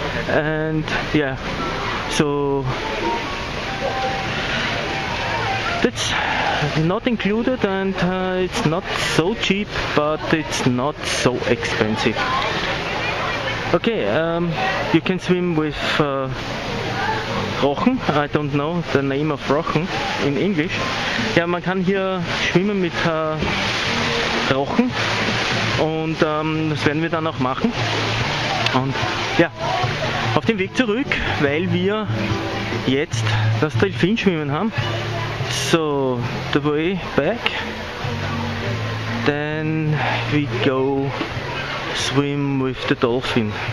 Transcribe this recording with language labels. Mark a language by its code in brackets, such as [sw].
[en] And yeah, so it's not included and it's not so cheap, but it's not so expensive. Okay, you can swim with Rochen, I don't know the name of Rochen in English. [de] Ja, man kann hier schwimmen mit Rochen und das werden wir dann auch machen. Und ja, auf dem Weg zurück, weil wir jetzt das Delfinschwimmen haben. [en] So, the way back, then we go swim with the dolphin.